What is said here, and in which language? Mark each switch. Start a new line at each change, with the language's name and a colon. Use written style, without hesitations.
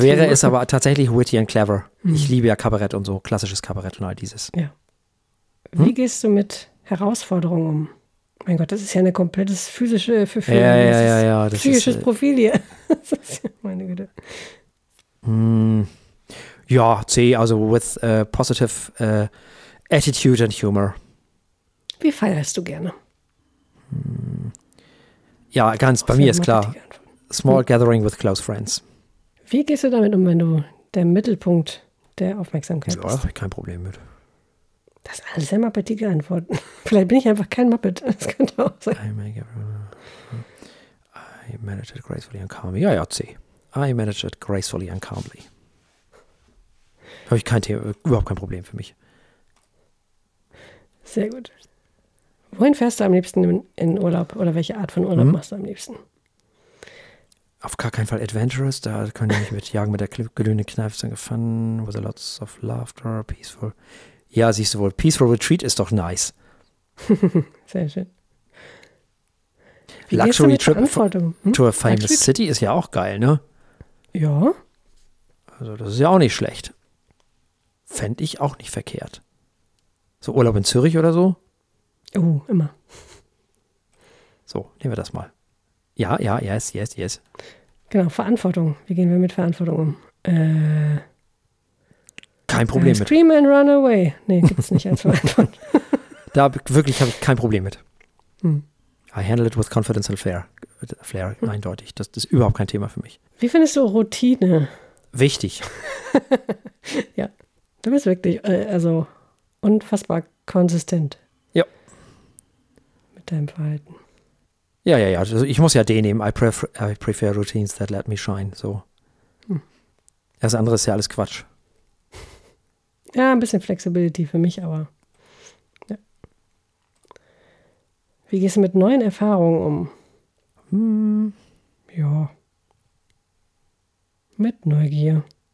German: Wäre es aber tatsächlich
English: witty and clever.
German: Mhm. Ich liebe ja Kabarett und so, klassisches Kabarett und all dieses. Ja. Wie gehst du mit Herausforderungen um? Mein Gott, das ist ja ein komplettes physische Verfügung. Ja. Psychisches Profil hier. Das ist ja meine Güte. Ja, C, also
English: with a positive attitude and humor.
German: Wie feierst du gerne? Ja, ganz, bei mir ist klar.
English: Small gathering with close friends.
German: Wie gehst du damit um, wenn du der Mittelpunkt der Aufmerksamkeit bist? Ja, habe ich kein Problem mit. Das sind alles sehr mappetige Antworten. Vielleicht bin ich einfach kein Muppet. Das könnte auch sein.
English: I manage it gracefully and calmly.
German: Ja, ja, C.
English: I manage it gracefully and calmly.
German: Habe ich kein Thema, überhaupt kein Problem für mich. Sehr gut. Wohin fährst du am liebsten in Urlaub oder welche Art von Urlaub machst du am liebsten? Auf gar keinen Fall adventurous, da könnte ich mich mit jagen mit der glühenden Kneipe sein gefunden,
English: with a lots of laughter, peaceful.
German: Ja, siehst du wohl,
English: peaceful retreat
German: ist doch nice. Sehr schön. Wie
English: luxury trip to a famous city
German: ist ja auch geil, ne? Ja. Also das ist ja auch nicht schlecht. Fände ich auch nicht verkehrt. So Urlaub in Zürich oder so? Oh, immer. So, nehmen wir das mal. Ja, ja,
English: yes, yes, yes.
German: Genau, Verantwortung. Wie gehen wir mit Verantwortung um? Kein Problem mit.
English: Scream and run away.
German: Nee, gibt's nicht als Verantwortung. Da wirklich habe ich kein Problem mit.
English: I handle it with confidence and flair.
German: Eindeutig. Das ist überhaupt kein Thema für mich. Wie findest du Routine? Wichtig. Ja. Du bist wirklich also unfassbar konsistent. Ja. Mit deinem Verhalten. Ja, ja, ja. Also ich muss ja den nehmen.
English: I prefer routines that let me shine.
German: So. Das andere ist ja alles Quatsch. Ja, ein bisschen Flexibility für mich, aber. Ja. Wie gehst du mit neuen Erfahrungen um? Ja. Mit Neugier.